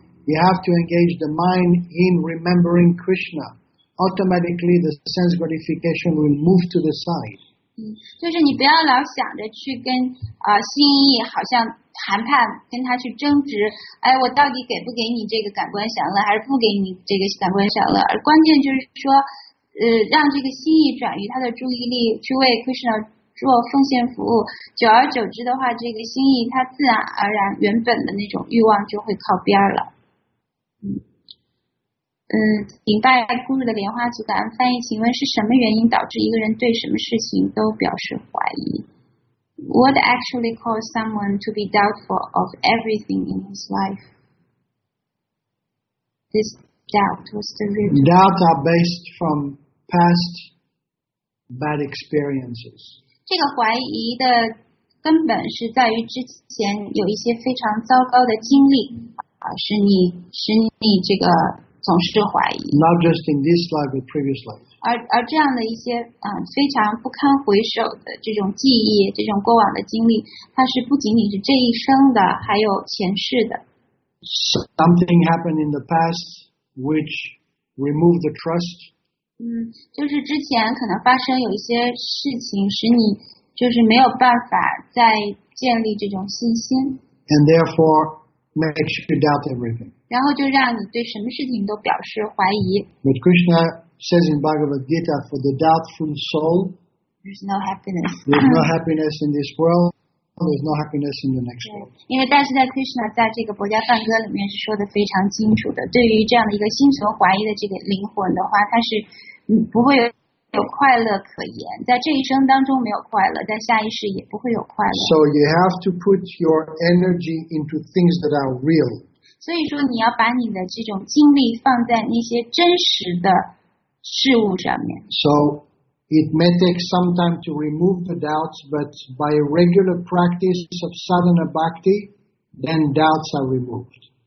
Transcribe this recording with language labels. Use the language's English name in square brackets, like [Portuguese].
[English] You have to engage the mind in remembering Krishna. Automatically, the sense gratification will move to the side. [Chinese] 就是你不要老想着去跟心意好像谈判，跟他去争执。哎，我到底给不给你这个感官享乐，还是不给你这个感官享乐？而关键就是说，让这个心意转移他的注意力，去为 Krishna 做奉献服务。久而久之的话，这个心意它自然而然原本的那种欲望就会靠边了。顶拜孤主的莲花组感恩翻译，请问是什么原因导致一个人对什么事情都表示怀疑 ？ [English] What actually caused someone to be doubtful of everything in his life? This doubt was the root. Doubt are based from past bad experiences. [Chinese] 这个怀疑的根本是在于之前有一些非常糟糕的经历，使你这个总是怀疑。 [English] Not just in this life, but previous life. [Chinese] 而这样的一些非常不堪回首的这种记忆，这种过往的经历，它是不仅仅是这一生的，还有前世的。 [English] Something happened in the past which removed the trust. [Chinese] 就是之前可能发生有一些事情，使你就是没有办法再建立这种信心。 [English] And therefore makes you doubt everything. [Chinese] 然后就让你对什么事情都表示怀疑。 [English] But Krishna says in Bhagavad Gita, for the doubtful soul, there's no happiness. There's no happiness in this world. There's no happiness in the next world. [Chinese] 因为但是在 Krishna 在这个《薄伽梵歌》里面是说的非常清楚的，对于这样的一个心存怀疑的这个灵魂的话，它是不会有快乐可言，在这一生当中没有快乐，在下一世也不会有快乐。 [English] So you have to put your energy into things that are real. [Chinese] 所以说你要把你的这种精力放在那些真实的事物上面。 [English] So it may take some time to remove the doubts, but by regular practice of sadhana bhakti, then doubts are removed.